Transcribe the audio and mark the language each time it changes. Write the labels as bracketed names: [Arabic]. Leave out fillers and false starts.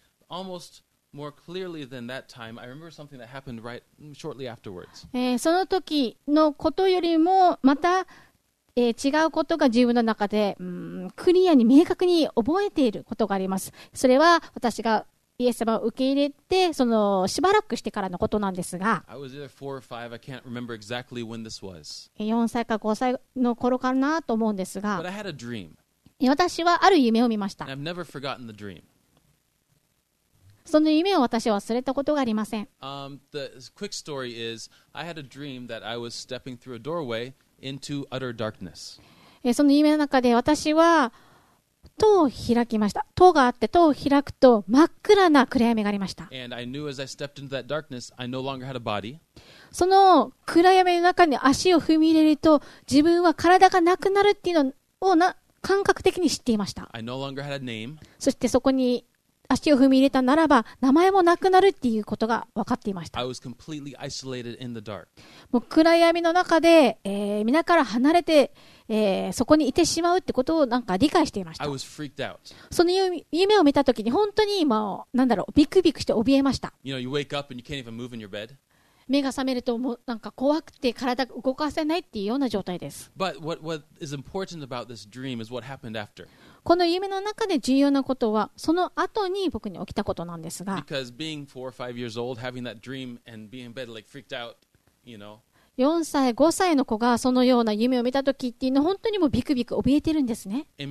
[English] almost more clearly than that time, I remember something that happened right shortly afterwards. [Japanese] その時のことよりもまた、違うことが自分の中で、クリアに明確に覚えていることがあります。それは私がイエス様を受け入れてそのしばらくしてからのことなんですが、 4 歳か5歳の頃かなと思うんですが、 [English] But I had a dream. [Japanese] 私はある夢を見ました。 [English] I've never forgotten the dream. [Japanese] その夢を私は忘れたことがありません。 [English] The quick story is, I had a dream that I was stepping through a doorway into utter darkness. [Japanese] その夢の中で私は戸を開きました。戸があって戸を開くと真っ暗な暗闇がありました。 [English] And I knew as I stepped into that darkness, I no longer had a body. [Japanese] その暗闇の中に足を踏み入れると自分は体がなくなるっていうのを感覚的に知っていました。 [English] I no longer had a name. [Japanese] そしてそこに足を踏み入れたならば名前もなくなるっていうことが分かっていました。 [English] I was completely isolated in the dark. [Japanese] もう暗闇の中で、皆から離れて、そこにいてしまうってことをなんか理解していました。 [English] I was freaked out. [Japanese] その夢を見たときに本当に今なんだろうビクビクして怯えました。 [English] You know, you wake up and you can't even move in your bed. [Japanese] 目が覚めるともうなんか怖くて体が動かせないっていうような状態です。 [English] But what is important about this dream is what happened after. [Japanese] この夢の中で重要なことはその後に僕に起きたことなんですが、 4 歳5歳の子がそのような夢を見たときっていうのは本当にもうビクビク怯えてるんですね。